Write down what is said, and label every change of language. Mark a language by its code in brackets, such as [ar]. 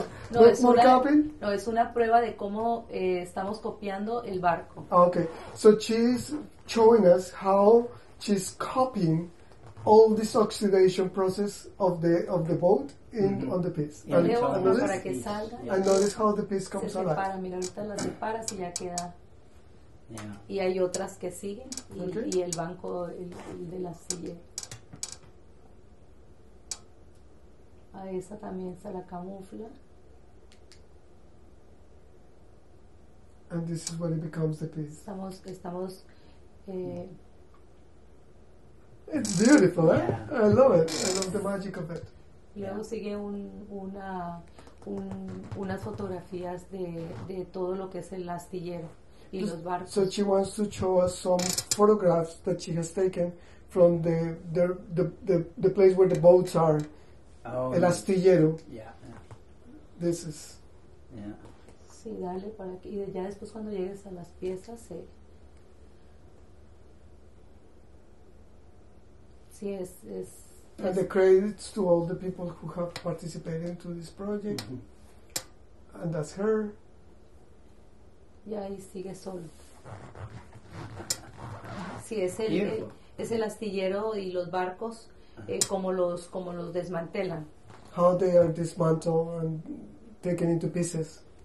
[es] No, es una prueba de cómo estamos copiando el barco. [en] Okay, so she's showing us how she's copying all this oxidation process of the boat in mm-hmm. on the piece. Yeah. And yeah. Notice how the piece comes [es] alive. Se separa, mira, ahorita la separas y ya queda. [en] Yeah. [es] Y hay otras que siguen y, okay. Y el banco el de la silla. A esa también se la camufla. [en] And this is when it becomes the piece. [es] Estamos [en] It's beautiful, yeah. I love it. I love the magic of it. [es] Luego sigue unas fotografías de todo lo que es el astillero. [en] So she wants to show us some photographs that she has taken from the place where the boats are, oh, [es] el astillero. [en] Yeah. This is. Yeah. [es] Sí, dale para aquí. Y ya después cuando llegues a las piezas, sí. Sí, es. [en] And the credits to all the people who have participated into this project, mm-hmm. and that's her. [es] Y ahí sigue solo. Sí, es el astillero y los barcos como los desmantelan. [en] How they are dismantled and taken into pieces.